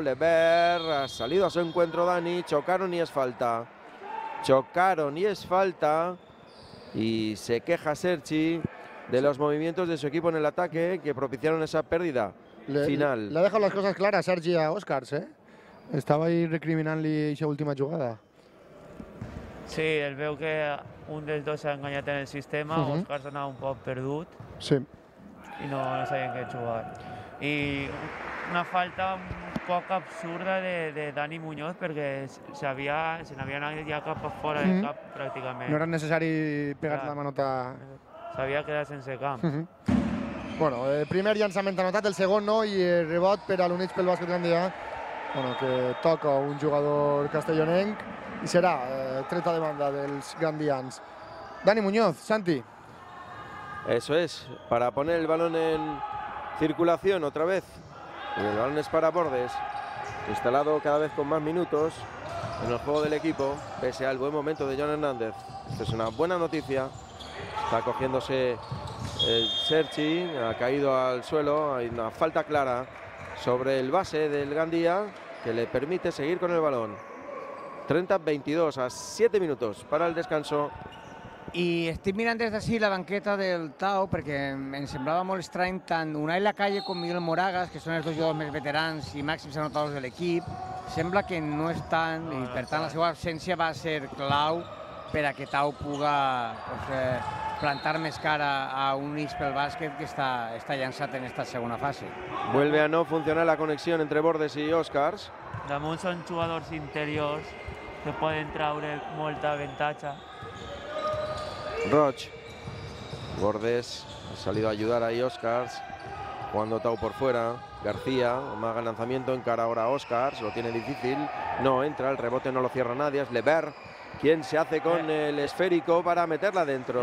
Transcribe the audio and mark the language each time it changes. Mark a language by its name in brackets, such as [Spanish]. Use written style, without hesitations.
[Spanish] Lever ha salido a su encuentro Dani, chocaron y es falta. Chocaron y es falta. Y se queja Sergi de los movimientos de su equipo en el ataque que propiciaron esa pérdida final. Le ha dejado las cosas claras Sergi a Óscar, ¿eh? Estaba ahí recriminando esa última jugada. [Catalan] Sí, él veu que un dels dos s'ha enganyat en el sistema. Óscar s'ha anat un poc perdut. Sí. I no sabien què jugar. I una falta un poc absurda de Dani Muñoz, perquè se n'havia anat ja cap a fora del cap, pràcticament. No era necessari pegar-te la manota. S'havia quedat sense camp. Bueno, primer llançament anotat, el segon no, i rebot per a l'Units pel Bàsquet Gandia. Bueno, que toca un jugador castellonenc i serà treta de banda dels gandians. Dani Muñoz, Santi. [Spanish] Eso es, para poner el balón en circulación otra vez. Y el balón es para Bordes, instalado cada vez con más minutos en el juego del equipo, pese al buen momento de Joan Hernández. Esto es una buena noticia. Está cogiéndose el Sergi, ha caído al suelo. Hay una falta clara sobre el base del Gandía que le permite seguir con el balón. 30-22 a 7 minutos para el descanso. [Catalan] I estic mirant des d'ací la banqueta del Tau, perquè em semblava molt estrany tant Unai Lacalle com Miguel Moragas, que són els dos jugadors més veterans i màxims anotadors de l'equip. Sembla que no estan i, per tant, la seva absència va ser clau per a que Tau puga plantar més cara a un Ix pel bàsquet que està llançat en aquesta segona fase. [Spanish] Vuelve a no funcionar la conexión entre Bordes y Óscars. [Catalan] Damunt són jugadors interiors que poden traure molta avantatge. [Spanish] Roig, Bordes, ha salido a ayudar ahí Óscars, jugando Tau por fuera, García, amaga el lanzamiento, encara ahora Óscars, lo tiene difícil, no entra, el rebote no lo cierra nadie, es Lever, quien se hace con el esférico para meterla dentro.